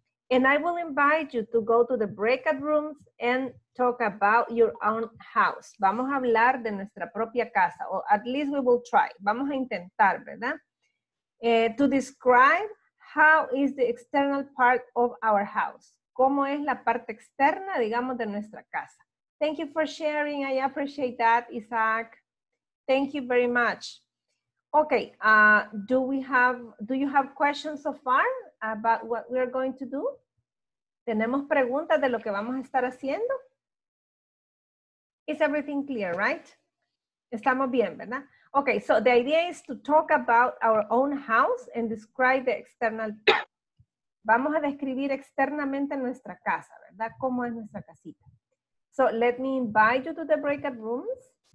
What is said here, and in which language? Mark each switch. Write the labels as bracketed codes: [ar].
[en] And I will invite you to go to the breakout rooms and talk about your own house. [es] Vamos a hablar de nuestra propia casa, [en] or at least we will try. [es] Vamos a intentar, ¿verdad? [en] To describe how is the external part of our house. [es] ¿Cómo es la parte externa, digamos, de nuestra casa? [en] Thank you for sharing. I appreciate that, Isaac. Thank you very much. Okay, do you have questions so far about what we are going to do? [es] ¿Tenemos preguntas de lo que vamos a estar haciendo? [en] Is everything clear, right? [es] Estamos bien, ¿verdad? [en] Okay, so the idea is to talk about our own house and describe the external. [es] Vamos a describir externamente nuestra casa, ¿verdad? ¿Cómo es nuestra casita? [en] So let me invite you to the breakout rooms.